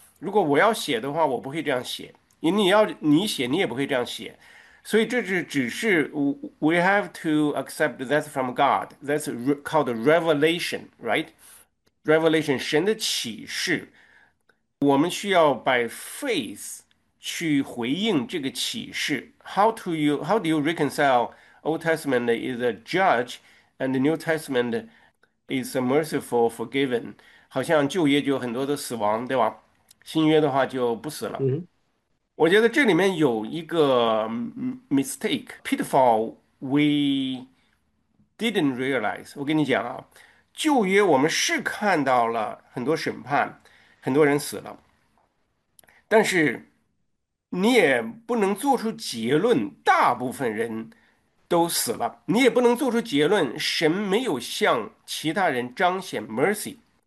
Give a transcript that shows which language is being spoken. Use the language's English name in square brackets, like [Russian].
[Chinese] 如果我要写的话，我不会这样写。你写，你也不会这样写。所以这是只是 [English] we have to accept that from God. That's called revelation, right? [Chinese] Revelation 神的启示，我们需要 [English] by faith [Chinese] 去回应这个启示。 [English] How do you reconcile Old Testament is a judge and the New Testament is a merciful forgiven？ [Chinese] 好像旧约就很多的死亡，对吧？新约的话就不死了。我觉得这里面有一个 [English] mistake pitfall we didn't realize。 [Chinese] 我跟你讲啊，旧约我们是看到了很多审判，很多人死了，但是你也不能做出结论，大部分人都死了，你也不能做出结论，神没有向其他人彰显 mercy。